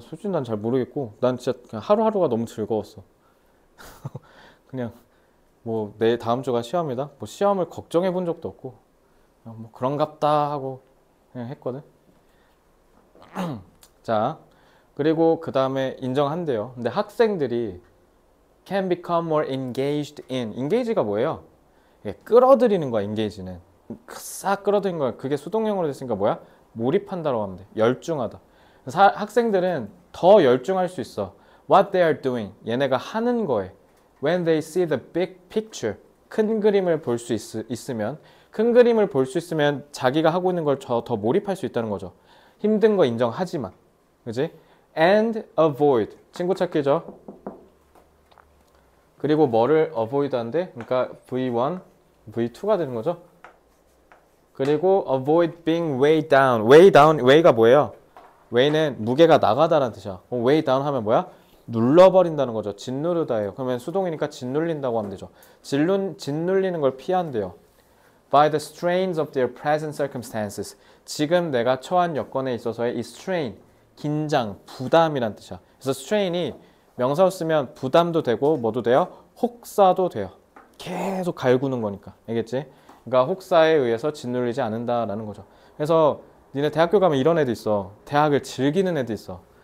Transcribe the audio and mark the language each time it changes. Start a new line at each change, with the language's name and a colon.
Korean: 솔직히 난잘 모르겠고 난 진짜 그냥 하루하루가 너무 즐거웠어. 그냥 뭐 내일 다음 주가 시험이다. 뭐 시험을 걱정해 본 적도 없고 그냥 뭐 그런갑다 하고 그냥 했거든. 자, 그리고 그 다음에 인정한대요. 근데 학생들이
English: can become more engaged in.
Korean: engage가 뭐예요? 끌어들이는 거야. engage는 싹 끌어들인 거야. 그게 수동형으로 됐으니까 뭐야? 몰입한다라고 하면 돼. 열중하다. 학생들은 더 열중할 수 있어.
English: What they are doing.
Korean: 얘네가 하는 거에.
English: When they see the big picture.
Korean: 큰 그림을 볼수 있으면. 큰 그림을 볼수 있으면 자기가 하고 있는 걸더 몰입할 수 있다는 거죠. 힘든 거 인정하지만. 그지?
English: And avoid.
Korean: 친구 찾기죠? 그리고 뭐를 avoid 한대? 그러니까 V1, V2가 되는 거죠. 그리고
English: avoid being weighed down. Weighed down,
Korean: weigh가 뭐예요? Weigh는 무게가 나가다라는 뜻이야. 그럼 weighed down 하면 뭐야? 눌러버린다는 거죠. 짓누르다예요. 그러면 수동이니까 짓눌린다고 하면 되죠. 짓눌리는 걸 피한대요.
English: By the strains of their present circumstances.
Korean: 지금 내가 처한 여건에 있어서의 이 strain, 긴장, 부담이란 뜻이야. 그래서 strain이 명사로 쓰면 부담도 되고 뭐도 돼요? 혹사도 돼요. 계속 갈구는 거니까. 알겠지? 그러니까 혹사에 의해서 짓눌리지 않는다라는 거죠. 그래서 니네 대학교 가면 이런 애도 있어. 대학을 즐기는 애도 있어.